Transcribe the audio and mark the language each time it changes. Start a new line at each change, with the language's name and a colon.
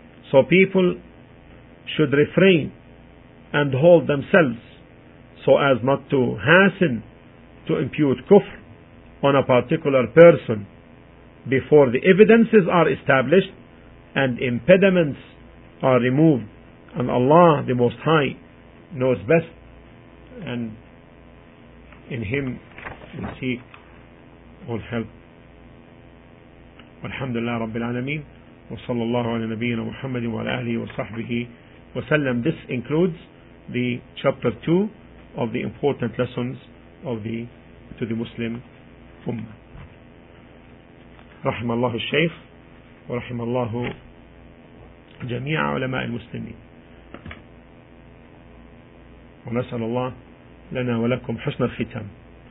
English: So people should refrain and hold themselves so as not to hasten to impute kufr on a particular person before the evidences are established and impediments are removed. And Allah, the Most High, knows best, and in Him we seek all help.
Arabic: والحمد لله رب العالمين وصلى الله على نبينا محمد وعلى آله وصحبه وسلم.
English: This includes the chapter 2 of the important lessons of the to the Muslim Ummah.
Arabic: رحم الله الشيخ ورحم الله جميع علماء المسلمين ونسأل الله لنا ولكم حسن الختام.